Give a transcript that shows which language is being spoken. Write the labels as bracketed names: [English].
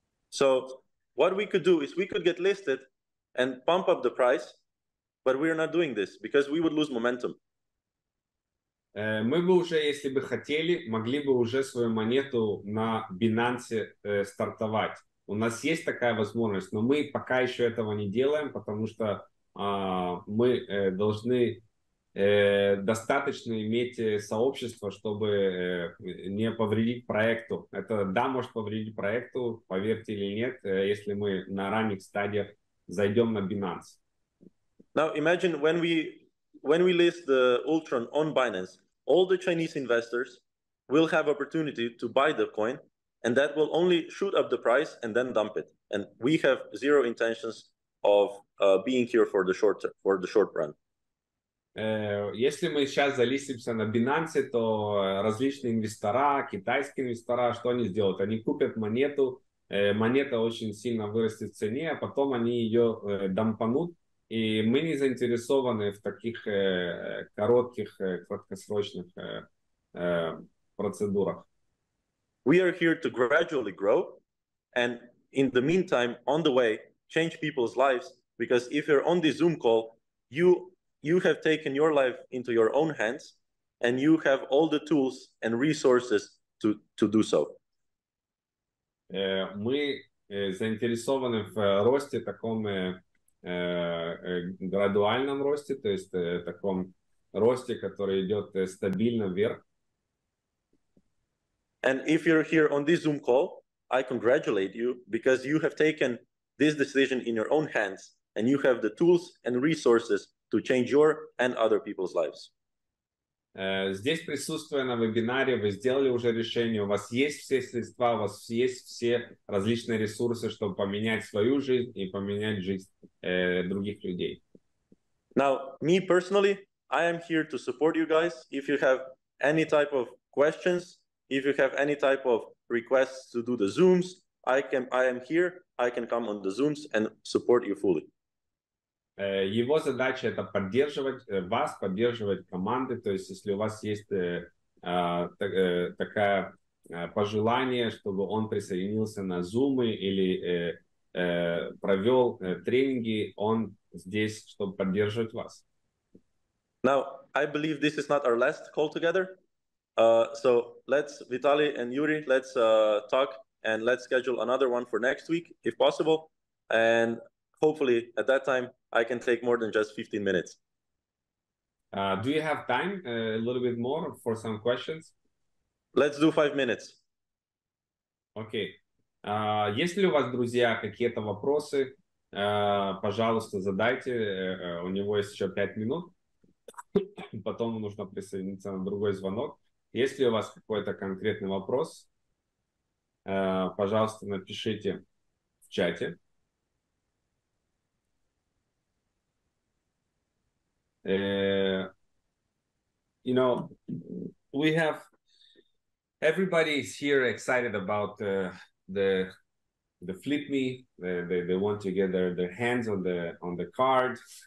[English] So what we could do is we could get listed and pump up the price, but we are not doing this because we would lose momentum. [Russian] Мы бы уже, если бы хотели, могли бы уже свою монету на Binance стартовать. У нас есть такая возможность, но мы пока еще этого не делаем, потому что мы должны достаточно иметь сообщество, чтобы не повредить проекту. Это да, может повредить проекту, поверьте или нет, если мы на ранних стадиях зайдем на Binance. [English] Now imagine when we list the Ultron on Binance, all the Chinese investors will have opportunity to buy the coin. And that will only shoot up the price and then dump it. And we have zero intentions of being here for the short run. [Russian] Если мы сейчас залистимся на Binance, то различные инвестора, китайские инвестора, что они сделают? Они купят монету, монета очень сильно вырастет в цене, а потом они ее дампанут. И мы не заинтересованы в таких краткосрочных процедурах. [English] We are here to gradually grow and in the meantime, on the way, change people's lives. Because if you're on this Zoom call, you have taken your life into your own hands and you have all the tools and resources to do so. [Russian] Мы заинтересованы в росте, таком градуальном росте, то есть таком росте, который идет стабильно вверх. [English] And if you're here on this Zoom call, I congratulate you because you have taken this decision in your own hands and you have the tools and resources to change your and other people's lives. [Russian] Здесь присутствуя на вебинаре, вы сделали уже решение, у вас есть все средства, у вас есть все различные ресурсы, чтобы поменять свою жизнь и поменять жизнь других людей. [English] Now, me personally, I am here to support you guys. If you have any type of questions, if you have any type of requests to do the Zooms, I am here, I can come on the Zooms and support you fully. [Russian] Его задача это поддерживать вас, поддерживать команды, то есть если у вас есть такое пожелание, чтобы он присоединился на Zoom или провел тренинги, он здесь, чтобы поддерживать вас. [English] Now, I believe this is not our last call together. So let's, Vitaly and Yuri, let's talk and let's schedule another one for next week, if possible. And hopefully at that time, I can take more than just 15 minutes. Do you have time a little bit more for some questions? Let's do 5 minutes. Okay. [Russian] Есть ли у вас, друзья, какие-то вопросы? Пожалуйста, задайте. У него есть еще 5 минут. Потом нужно присоединиться на другой звонок. Есть ли у вас какой-то конкретный вопрос? Пожалуйста, напишите в чате. [English] You know, we have everybody is here excited about the FlipMe. They want to get their hands on the card.